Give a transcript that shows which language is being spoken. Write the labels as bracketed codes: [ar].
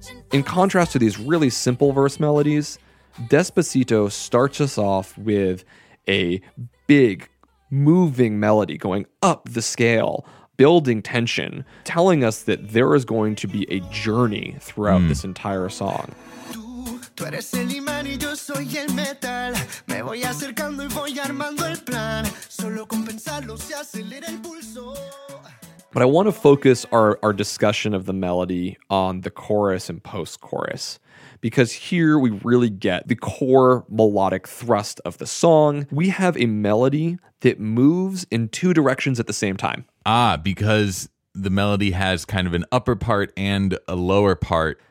[en] In contrast to these really simple verse melodies, Despacito starts us off with a big, moving melody going up the scale, building tension, telling us that there is going to be a journey throughout this entire song. [es] Tú eres el imán y yo soy el metal. Me voy acercando y voy armando el plan. Solo con pensarlo se acelera el pulso. [en] But I want to focus our discussion of the melody on the chorus and post-chorus, because here we really get the core melodic thrust of the song. We have a melody that moves in two directions at the same time. Ah, because the melody has kind of an upper part and a lower part.